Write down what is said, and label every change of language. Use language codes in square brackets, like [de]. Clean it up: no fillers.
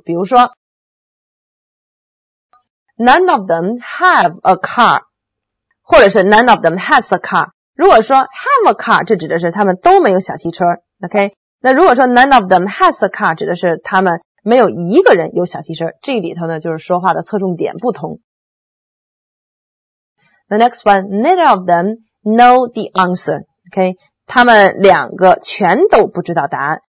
[zh] 比如说 [en] None of them have a car， [zh] 或者是 [en] None of them has a car。 [zh] 如果说 [en] have a car， [zh] 这指的是他们都没有小汽车， [en] OK？ [zh] 那如果说 [en] none of them has a car， [zh] 指的是他们没有一个人有小汽车。这里头呢，就是说话的侧重点不同。 [en] The next one， neither of them know the answer， OK？ [zh] 他们两个全都不知道答案。